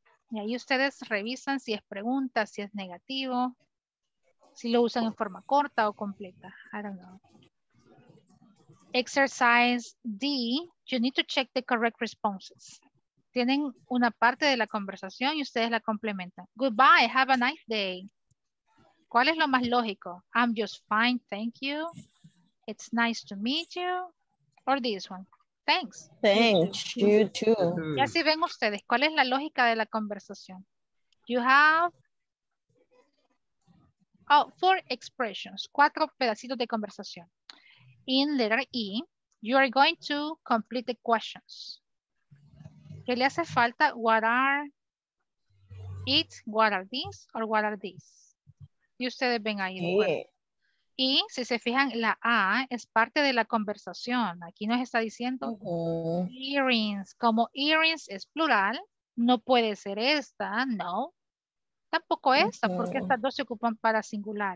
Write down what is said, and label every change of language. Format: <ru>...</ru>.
<es>Y ahí ustedes revisan si es pregunta, si es negativo, si lo usan en forma corta o completa.</es> <en>I don't know. Exercise D, you need to check the correct responses.</en> <es>Tienen una parte de la conversación y ustedes la complementan.</es> <en>Goodbye, have a nice day.</en> <es>¿Cuál es lo más lógico?</es> <en>I'm just fine, thank you. It's nice to meet you. Or this one. Thanks. Thanks, you too.</en> <es>Y así ven ustedes, ¿cuál es la lógica de la conversación?</es> <en>You have four expressions,</en> <es>cuatro pedacitos de conversación.</es> <en>In letter E, you are going to complete the questions.</en> <es>¿Qué le hace falta?</es> <en>What are it, what are these, or what are these?</en> <es>Y ustedes ven ahí. Sí. Y si se fijan, la A es parte de la conversación. Aquí nos está diciendo earrings. Como earrings es plural, no puede ser esta, no. Tampoco esta, porque estas dos se ocupan para singular.</es>